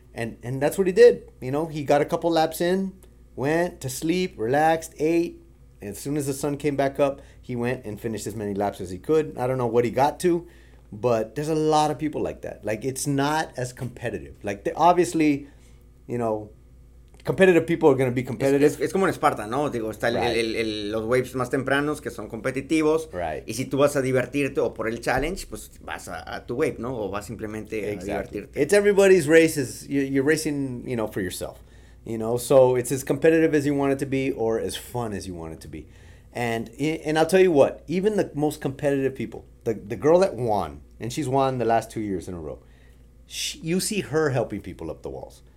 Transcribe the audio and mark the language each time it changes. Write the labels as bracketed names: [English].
[English] And that's what he did. You know, he got a couple laps in, went to sleep, relaxed, ate. And as soon as the sun came back up, he went and finished as many laps as he could. I don't know what he got to, but there's a lot of people like that. Like, it's not as competitive. Like, obviously, you know, competitive people are going to be competitive. [Spanish] Es como en Esparta, ¿no? Digo, está el, right. el los waves más tempranos que son competitivos. [English] Right. [Spanish] Y si tú vas a divertirte o por el challenge, pues vas a tu wave, ¿no? O vas simplemente exactly. a divertirte. [English] It's everybody's races. You're racing, you know, for yourself. You know, so it's as competitive as you want it to be or as fun as you want it to be. And I'll tell you what, even the most competitive people, the girl that won, and she's won the last 2 years in a row, you see her helping people up the walls.